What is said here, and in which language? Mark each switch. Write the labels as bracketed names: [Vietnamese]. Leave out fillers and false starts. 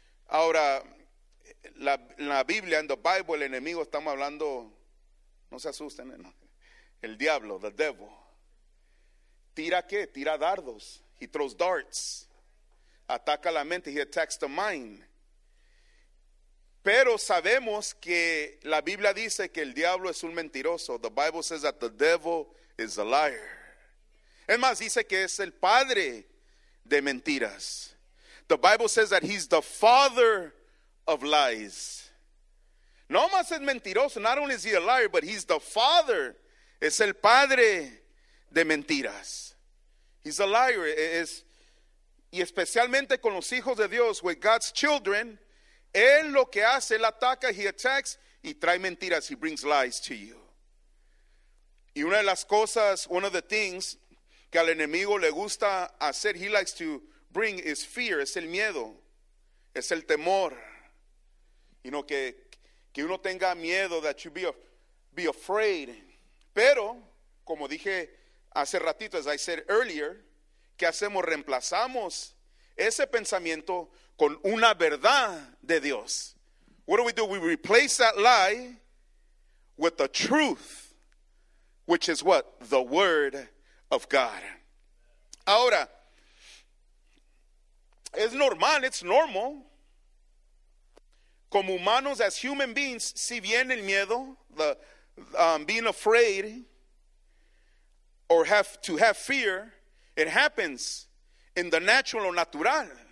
[Spanish] Ahora, la Biblia, [English] in the Bible, [Spanish] el enemigo, estamos hablando, no se asusten, ¿no? El diablo, [English] the devil. [Spanish] ¿Tira qué? Tira dardos. [English] He throws darts. [Spanish] Ataca la mente. [English] He attacks the mind. [Spanish] Pero sabemos que la Biblia dice que el diablo es un mentiroso. [English] The Bible says that the devil is a liar. [Spanish] Es más, dice que es el padre de mentiras. [English] The Bible says that he's the father of lies. [Spanish] No más es mentiroso. [English] Not only is he a liar, but he's the father. [Spanish] Es el padre de mentiras. [English] He's a liar. [Spanish] Es, y especialmente con los hijos de Dios, [English] with God's children, [Spanish] él lo que hace, él ataca, [English] he attacks, [Spanish] y trae mentiras, [English] he brings lies to you. [Spanish] Y una de las cosas, [English] one of the things [Spanish] que al enemigo le gusta hacer, [English] he likes to bring, is fear, [Spanish] es el miedo, es el temor. Y no que uno tenga miedo, [English] that you be afraid. [Spanish] Pero, como dije hace ratito, [English] as I said earlier, [Spanish] ¿qué hacemos? Reemplazamos ese pensamiento con una verdad de Dios. [English] What do? We replace that lie with the truth, which is what? The word of God. [Spanish] Ahora, es normal, [English] it's normal. [Spanish] Como humanos, [English] as human beings, [Spanish] si viene el miedo, [English] the being afraid, or to have fear, it happens in the natural or natural.